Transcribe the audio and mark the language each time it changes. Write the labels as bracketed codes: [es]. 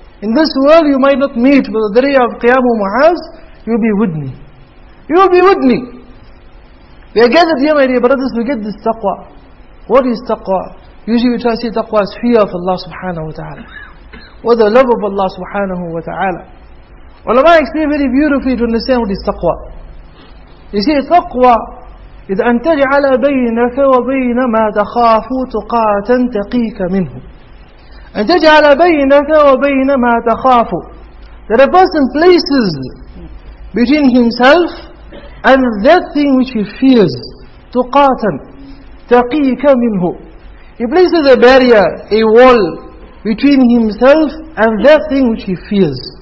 [en] In this world you might not meet, but the day of Qiyamah, Mu'adh, you will be with me. You will be with me. We are gathered here, my dear brothers, to get this taqwa. What is taqwa? Usually we try to see taqwa as fear of Allah subhanahu wa ta'ala. Or the love of Allah subhanahu wa ta'ala. Ulama explain very beautifully to understand what is taqwa. You see, taqwa is [ar] أن تجعل بينك وبين ما تخاف تقاة تقيك منه. أن تجعل بينك وبين ما تخاف. [en] That a person places between himself and that thing which he fears, [ar] تقاة تقيك منه. [en] He places a barrier, a wall, between himself and that thing which he fears.